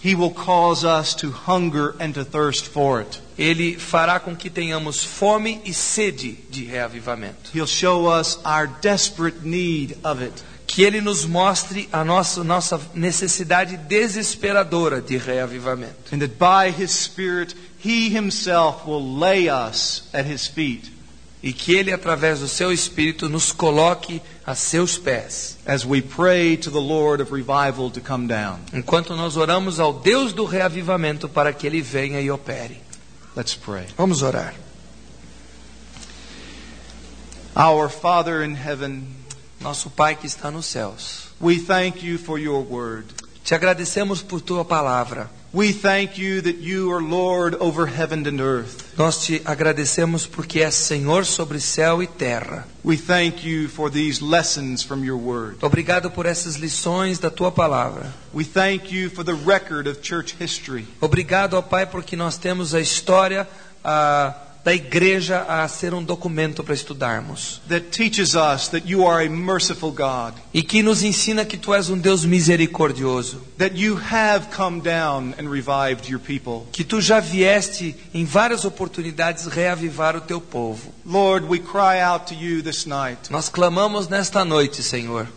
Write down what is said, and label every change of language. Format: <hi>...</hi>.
<en>he will cause us to hunger and to thirst for it.</en> <pt>Ele fará com que tenhamos fome e sede de reavivamento.</pt> <en>He'll show us our desperate need of it.</en> <pt>Que ele nos mostre a nossa necessidade desesperadora de reavivamento.</pt> <en>And that by his spirit he himself will lay us at his feet.</en> <pt>E que ele através do seu espírito nos coloque a seus pés.</pt> <en>As we pray to the Lord of revival to come down.</en> <pt>Enquanto nós oramos ao Deus do reavivamento para que ele venha e opere.</pt> <en>Let's pray.</en> <pt>Vamos orar.</pt> <en>Our Father in heaven,</en> <pt>nosso Pai que está nos céus.</pt> <en>We thank you for your word.</en> <pt>Te agradecemos por tua palavra.</pt> <en>We thank you that you are Lord over heaven and earth.</en> <pt>Nós te agradecemos porque és Senhor sobre céu e terra.</pt> <en>We thank you for these lessons from your word.</en> <pt>Obrigado por essas lições da tua palavra.</pt> <en>We thank you for the record of church history.</en> <pt>Obrigado, ó Pai, porque nós temos a história da igreja a ser um documento para estudarmos.</pt> <en>That teaches us that you are a merciful God.</en> <pt>E que nos ensina que tu és um Deus misericordioso.</pt> <en>That you have come down and revived your people.</en> <pt>Que tu já vieste em várias oportunidades reavivar o teu povo.</pt> <en>Lord, we cry out to you this night.</en> <pt>Nós clamamos nesta noite, Senhor.</pt>